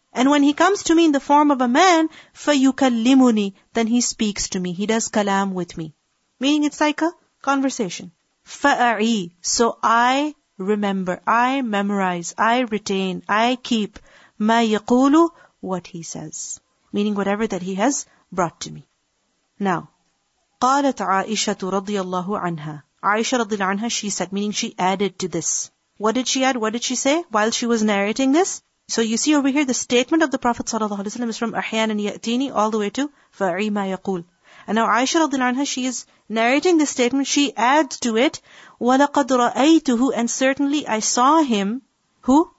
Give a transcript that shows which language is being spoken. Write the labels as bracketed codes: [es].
[en] And when he comes to me in the form of a man, [ar] فَيُكَلِّمُنِي, [en] then he speaks to me. He does kalam with me. Meaning it's like a conversation. [ar] فَأَعِي, [en] so I remember, I memorize, I retain, I keep, [ar] مَا يَقُولُ, [en] what he says. Meaning whatever that he has brought to me. Now, [ar] قَالَتْ عَائِشَةُ رَضِيَ اللَّهُ عَنْهَا. [en] Aisha [ar] رضي الله عنها, [en] she said, meaning she added to this. What did she add? What did she say while she was narrating this? So you see over here, the statement of the Prophet ﷺ is from [ar] أَحْيَانًا يَأْتِينِي [en] all the way to [ar] فَعِي مَا يَقُولُ. [en] And now Aisha [ar] رضي الله عنها, [en] she is narrating this statement, she adds to it, [ar] وَلَقَدْ رَأَيْتُهُ, [en] and certainly I saw him, who?